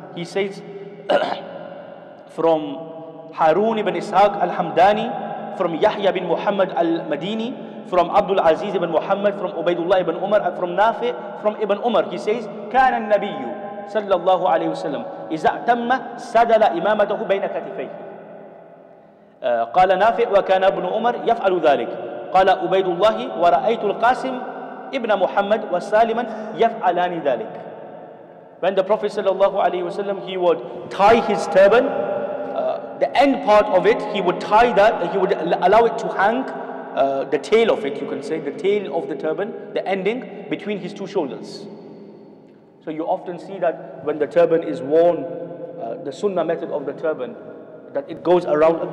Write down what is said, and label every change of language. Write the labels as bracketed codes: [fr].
[en] He says, from Harun ibn Ishaq al-Hamdani, from Yahya bin Muhammad al-Madini, from Abdul Aziz ibn Muhammad, from Ubaidullah ibn Umar, and from Nafi', from Ibn Umar, he says, [ar] كان النبي صلى الله عليه وسلم إذا أتم سدل إمامته بين كتفيه. قال نافئ وكان ابن عمر يفعل ذلك. قال عبيد الله ورأيت القاسم ابن محمد وسالما يفعلان ذلك. [en] When the Prophet صلى الله عليه وسلم, he would tie his turban, the end part of it, he would tie that, he would allow it to hang, the tail of it, you can say, the tail of the turban, the ending, between his two shoulders. So you often see that when the turban is worn, the sunnah method of the turban, that it goes around.